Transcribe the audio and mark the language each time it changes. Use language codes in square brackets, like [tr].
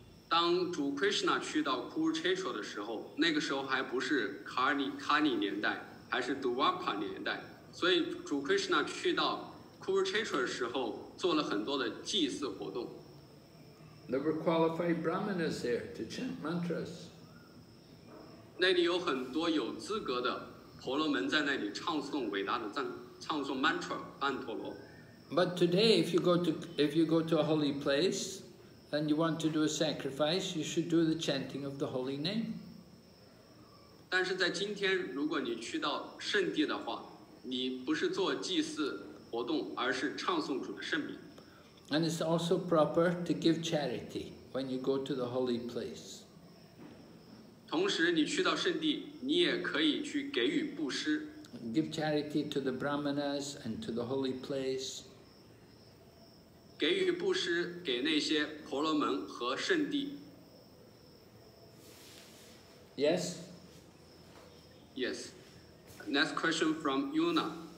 [zh] 当主 Krishna 去到 Kurukshetra 的时候，那个时候还不是 Kali 年代，还是 Dwapara 年代。所以主 Krishna 去到 Kurukshetra 的时候，做了很多的祭祀活动。 [en] There were qualified brahmanas there to chant mantras. [zh] 那里有很多有资格的婆罗门在那里唱诵伟大的唱诵 mantra 曼陀罗。 [en] But today, if you go to a holy place. And you want to do a sacrifice, you should do the chanting of the holy name. [zh] 但是在今天，如果你去到圣地的话，你不是做祭祀活动，而是唱诵主的圣名。 [en] And it's also proper to give charity when you go to the holy place. [zh] 同时，你去到圣地，你也可以去给予布施。 [en] Give charity to the brahmanas and to the holy place. [zh] 给予布施给那些婆罗门和圣地。 [en] Yes. Yes. Next question from Yuna.